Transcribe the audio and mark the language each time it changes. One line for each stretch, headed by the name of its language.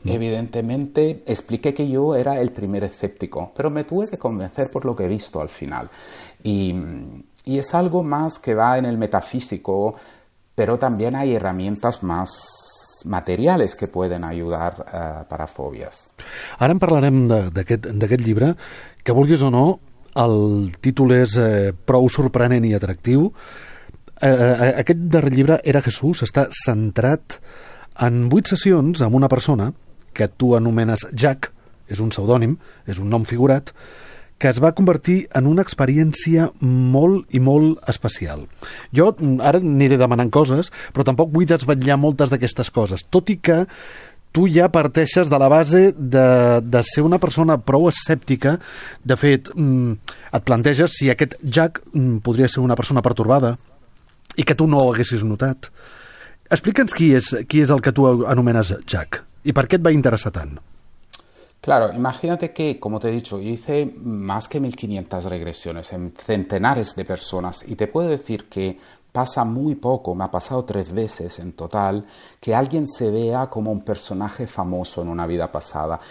Spanish: evidentemente expliqué que yo era el primer escéptico, pero me tuve que convencer por lo que he visto al final. Y es algo más que va en el metafísico, pero también hay herramientas más materiales que pueden ayudar, para fobias.
Catalan: Ara en parlarem d'aquest llibre, que vulguis o no, el títol és prou sorprenent i atractiu. Aquest darrer llibre, Era Jesús, està centrat en 8 sessions amb una persona que tu anomenes Jack, és un pseudònim, és un nom figurat, que es va convertir en una experiència molt i molt especial. Jo ara aniré demanant coses, però tampoc vull desvetllar moltes d'aquestes coses, tot i que tu ja parteixes de la base de ser una persona prou escèptica. De fet, et planteges si aquest Jack podria ser una persona pertorbada i que tu no ho haguessis notat. Explica'ns qui és el que tu anomenes Jack i per què et va interessar tant.
Spanish: Claro, imagínate que, como te he dicho, hice más que 1.500 regresiones en centenares de personas y te puedo decir que pasa muy poco, me ha pasado 3 veces en total, que alguien se vea como un personaje famoso en una vida pasada.